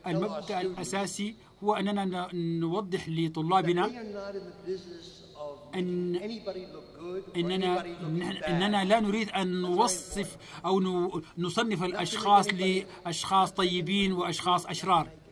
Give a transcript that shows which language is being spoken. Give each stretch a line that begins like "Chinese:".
Arabic: والمبدأ الأساسي هو أننا نوضح لطلابنا.
English: That we are not in the business of making anybody look good or anybody look bad.
Arabic: إننا لا نريد أن نوصف أو نصنف الأشخاص لأشخاص طيبين وأشخاص أشرار.